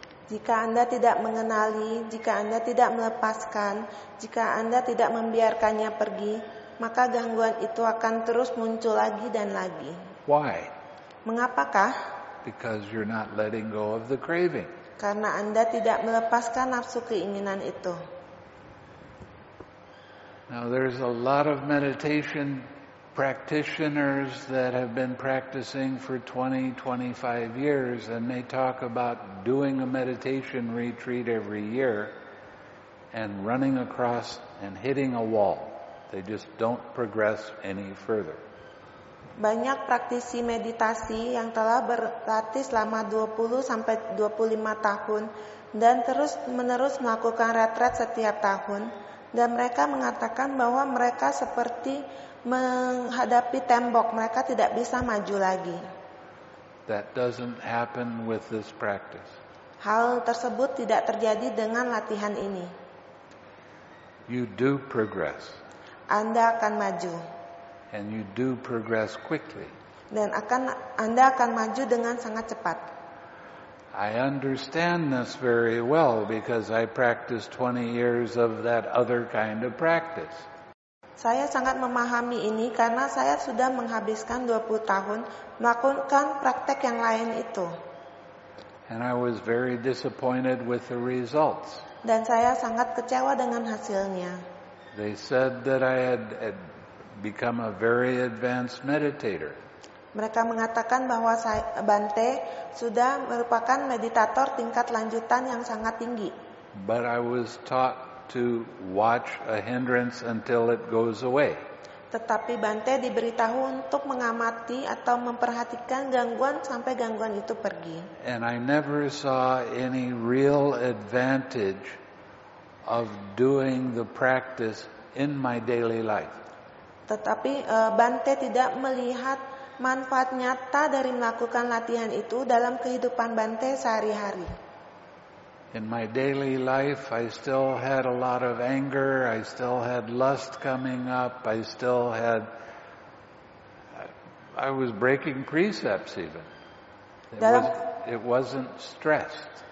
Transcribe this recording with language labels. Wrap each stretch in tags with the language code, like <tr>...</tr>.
<id>Jika Anda tidak mengenali, jika Anda tidak melepaskan, jika Anda tidak membiarkannya pergi, maka gangguan itu akan terus muncul lagi dan lagi.</id> <en>Why?</en> <id>Mengapakah?</id> <en>Because you're not letting go of the craving.</en> <id>Karena Anda tidak melepaskan nafsu keinginan itu.</id> <en>Now there's a lot of meditation practitioners that have been practicing for 20-25 years, and they talk about doing a meditation retreat every year and running across and hitting a wall. They just don't progress any further.</en> <id>Banyak praktisi meditasi yang telah berlatih selama 20-25 tahun dan terus-menerus melakukan retret setiap tahun, dan mereka mengatakan bahwa mereka seperti menghadapi tembok, mereka tidak bisa maju lagi.</id> <en>That doesn't happen with this practice.</en> <id>Hal tersebut tidak terjadi dengan latihan ini.</id> <en>You do progress.</en> <id>Anda akan maju.</id> <en>And you do progress quickly.</en> <id>Dan Anda akan maju dengan sangat cepat.</id> <en>I understand this very well because I practiced 20 years of that other kind of practice.</en> <id>Saya sangat memahami ini karena saya sudah menghabiskan 20 tahun melakukan praktek yang lain itu.</id> <en>And I was very disappointed with the results.</en> <id>Dan saya sangat kecewa dengan hasilnya.</id> <en>They said that I had become a very advanced meditator.</en> <id>Mereka mengatakan bahwa Bante sudah merupakan meditator tingkat lanjutan yang sangat tinggi.</id> <en>But I was taught to watch a hindrance until it goes away.</en> <id>Tetapi Bante diberitahu untuk mengamati atau memperhatikan gangguan sampai gangguan itu pergi.</id> <en>And I never saw any real advantage of doing the practice in my daily life.</en> <id>Tetapi Bante tidak melihat manfaat nyata dari melakukan latihan itu dalam kehidupan Bante sehari-hari.</id> <en>In my daily life, I still had a lot of anger, I still had lust coming up, I still had I was breaking precepts even. It wasn't stressed.</en>